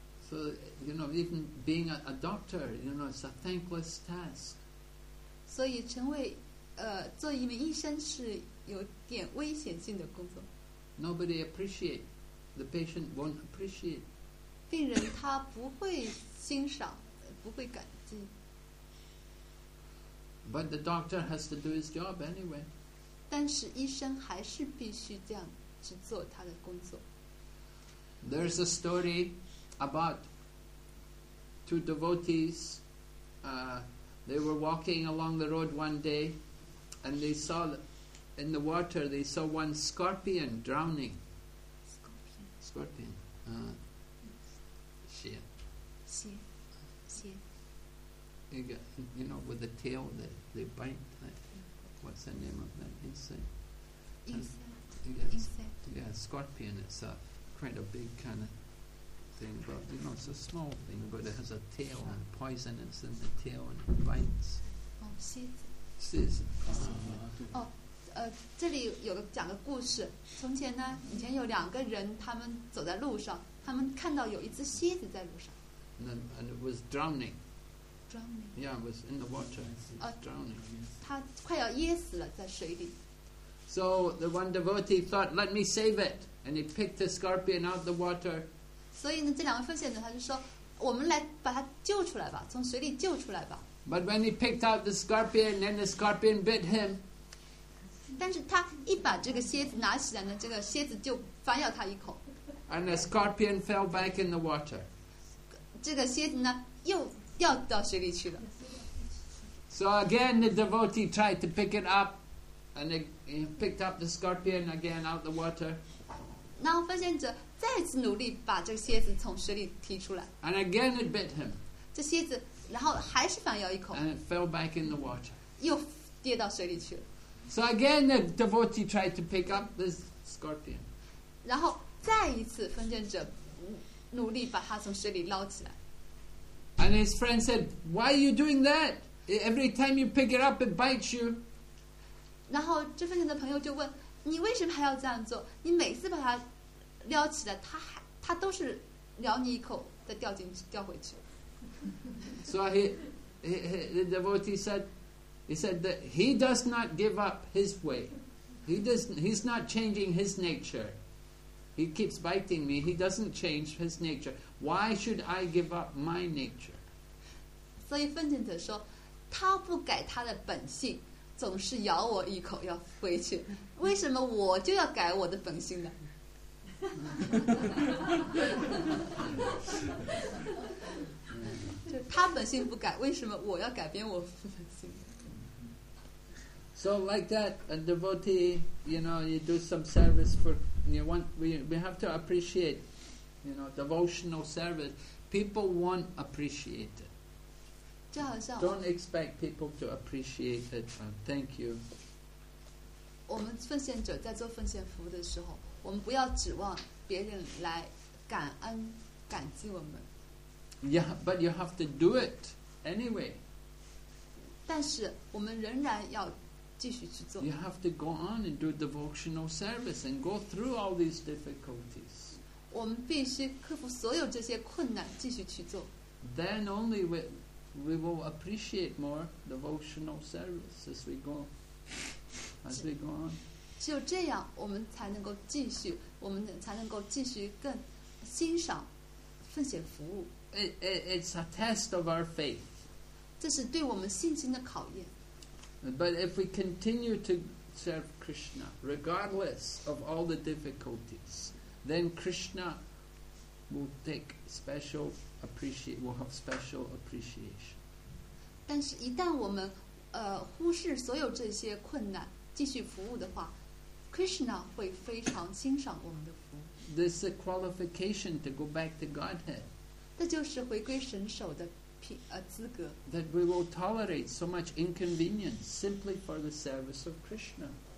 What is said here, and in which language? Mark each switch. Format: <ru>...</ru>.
<en>So, you know, even being a doctor, you know, it's a thankless task.</en> <zh>所以成为做一名医生是有点危险性的工作。</zh> <en>Nobody appreciate. The patient won't appreciate.</en> <zh>病人他不会欣赏，不会感激。</zh> <en>But the doctor has to do his job anyway.</en> <zh>但是医生还是必须这样去做他的工作。</zh> <en>There's a story. About two devotees, they were walking along the road one day, and they saw in the water they saw one scorpion drowning. Scorpion. Scorpion.</en> <zh>Xie.</zh> <en>You know, with the tail that they bite. That, what's the name of that insect? Insect. Yeah, scorpion. It's a quite a big kind of. Thing, but you know, it's a small thing, but it has a tail and poison is in the tail and it bites.</en> <zh>Oh, 这里有个讲个故事。从前呢，以前有两个人，他们走在路上，他们看到有一只蝎子在路上。</zh> <en>And it was drowning. Drowning. Yeah, it was in the water. Drowning.</en> <zh>它快要噎死了，在水里。</zh> <en>So the one devotee thought, "Let me save it," and he picked the scorpion out of the water.</en> <zh>所以呢，这两位奉献者他就说：“我们来把他救出来吧，从水里救出来吧。”</zh> <en>But when he picked out the scorpion, then the scorpion bit him.</en> <zh>但是他一把这个蝎子拿起来呢，这个蝎子就反咬他一口。</zh> <en>And the scorpion fell back in the water.</en> <zh>这个蝎子呢，又掉到水里去了。</zh> <en>So again, the devotee tried to pick it up, and he picked up the scorpion again out the water.</en> <zh>然后奉献者。再次努力把这个蝎子从水里提出来。</zh> <en>And again it bit him.</en> <zh>这蝎子，然后还是反咬一口。</zh> <en>And it fell back in the water.</en> <zh>又跌到水里去了。</zh> <en>So again the devotee tried to pick up this scorpion.</en> <zh>然后再一次奉献者努力把它从水里捞起来。</zh> <en>And his friend said, "Why are you doing that? Every time you pick it up, it bites you."</en> <zh>然后这份人的朋友就问你为什么还要这样做，你每次把他撩起来他都是撩你一口再掉回去。</zh> <en>So the devotee said that he does not give up his way. He's not changing his nature. He keeps biting me. He doesn't change his nature. Why should I give up my nature?</en> <zh>所以奉行者说他不改他的本性，总是咬我一口要回去，为什么我就要改我的本性呢？他本性不改，为什么我要改变我本性？</zh> <en>So like that, a devotee, you know, you do some service for, you want, we have to appreciate, you know, devotional service. People won't appreciate it.</en> <zh>就好像</zh> <en>Don't expect people to appreciate it. Thank you.</en> <zh>我们奉献者在做奉献服务的时候，我们不要指望别人来感恩感激我们。</zh> <en>Yeah, but you have to do it anyway.</en> <zh>但是我们仍然要继续去做。</zh> <en>You have to go on and do devotional service and go through all these difficulties.</en> <zh>我们必须克服所有这些困难，继续去做。</zh> <en>Then only we will appreciate more devotional service as we go on.</en> <zh>只有这样，我们才能够继续，我们才能够继续更欣赏奉献服务。</zh> <en>It's a test of our faith.</en> <zh>这是对我们信心的考验。</zh> <en>But if we continue to serve Krishna, regardless of all the difficulties, then Krishna will take special appreciate, will have special appreciation.</en> <zh>但是一旦我们忽视所有这些困难，继续服务的话， Krishna 会非常欣赏我们的服务。</zh> <en>This is a qualification to go back to Godhead.</en> <zh>这就是回归神手的资格。</zh> <en>That we will tolerate so much inconvenience simply for the service of Krishna.</en>